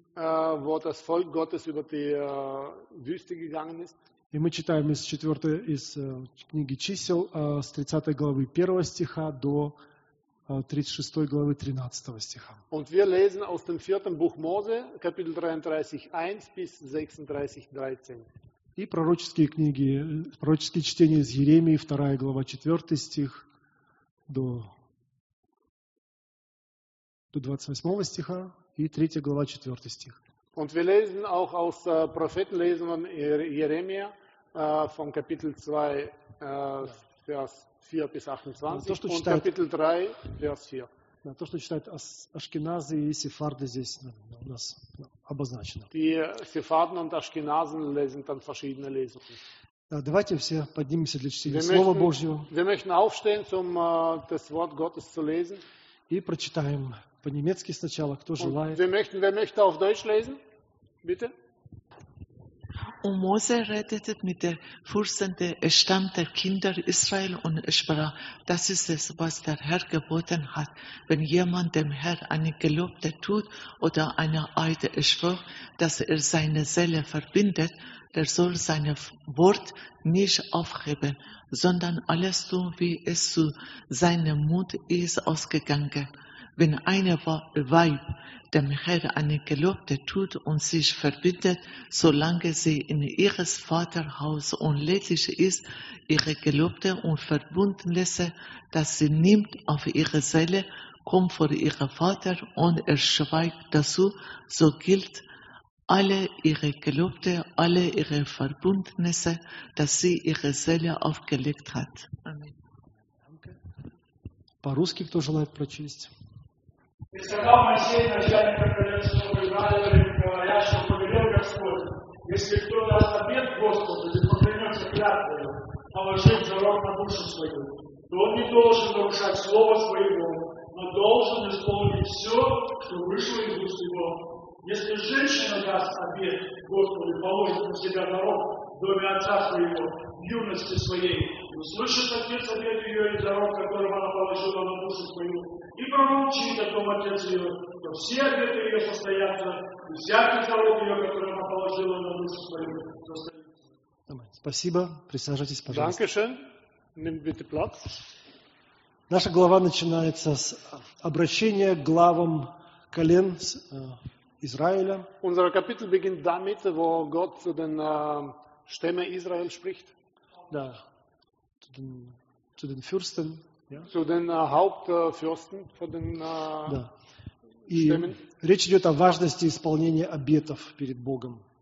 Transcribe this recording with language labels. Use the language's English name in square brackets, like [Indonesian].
[German] Wo das Volk Gottes über die Wüste gegangen ist. [Russian] И мы читаем из четвертой, из книги чисел, с 30 главы 1 стиха до 36 главы 13 стиха. [German] Und wir lesen aus dem vierten Buch Mose, Kapitel 33, 1 bis 36, 13. [Russian] И пророческие книги, пророческие чтения из Иеремии, 2 глава, 4 стих до 28 стиха и 3 глава, 4 стих. [German] Und wir lesen auch aus Prophetenlesungen Jeremia von Kapitel 2, Vers 4 bis 28, und Kapitel 3, Vers 4. [Russian] Да, то, что читают ашкеназы и сефарды, здесь у нас обозначено. [German] Die Sefarden und Ashkenazen lesen dann verschiedene Lesungen. [Russian] Да, давайте все поднимемся для чтения Слова Божьего. [German] Wir möchten aufstehen, um das Wort Gottes zu lesen. [Russian] И прочитаем по-немецки сначала, кто желает. [German] Und wer möchte auf Deutsch lesen? Bitte. Und Mose redete mit den Fürsten der Stamm der Kinder Israel und sprach, das ist es, was der Herr geboten hat. Wenn jemand dem Herrn eine Gelobte tut oder eine Eide schwört, dass er seine Seele verbindet, der soll sein Wort nicht aufheben, sondern alles tun, wie es zu seinem Mund ist ausgegangen. Wenn eine Weib dem Herr eine Gelobte tut und sich verbindet, solange sie in ihres Vaters Haus unledig ist, ihre Gelobte und verbunden lässt, dass sie nimmt auf ihre Seele, kommt vor ihrem Vater und er schweigt dazu, so gilt alle ihre Gelobte, alle ihre Verbundnisse, dass sie ihre Seele aufgelegt hat. Amen. Danke. [Russian] По-русски кто желает прочесть? И сказал Моисей, начальник определенного Израиля, говорящего, повелел Господь, если кто даст обет Господу, если поклянется клятвою, положив зарок на душу свою, то он не должен нарушать слово своего, но должен исполнить все, что вышло из уст его. Если женщина даст обет Господу, положит на себя зарок в доме отца своего, в юности своей, услышит отец обет ее и зарок, которым она положила на душу свою, и промолчит о том отец ее, то все обеты ее состоятся, и всякий зарок ее, который она положила на душу свою, состоится. Спасибо. Присаживайтесь, пожалуйста. [German] Danke schön. Nimm bitte Platz. [Russian] Наша глава начинается с обращения к главам колен Израиля. [German] Unser Kapitel beginnt damit, wo Gott zu den Stämme Israel spricht. Да. Zu den Fürsten, ja? Zu den Hauptfürsten von den [Russian] Да. И [German] Stämmen. [Russian] Речь идёт о важности исполнения обетов перед Богом.